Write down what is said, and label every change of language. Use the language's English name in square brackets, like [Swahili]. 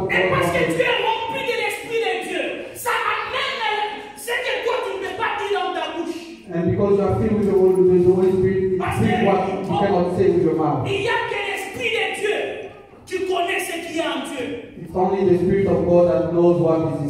[English] God wants. [French] Et parce que tu es rempli de l'Esprit de Dieu, ça amène ce que toi tu ne peux pas dire dans ta bouche. [English] And because you are filled with the Holy Spirit, speak what you cannot say with your mouth. [French] Il y a que l'Esprit de Dieu, tu connais ce qu'il y a en Dieu. [English] It's only the Spirit of God that knows what is in God.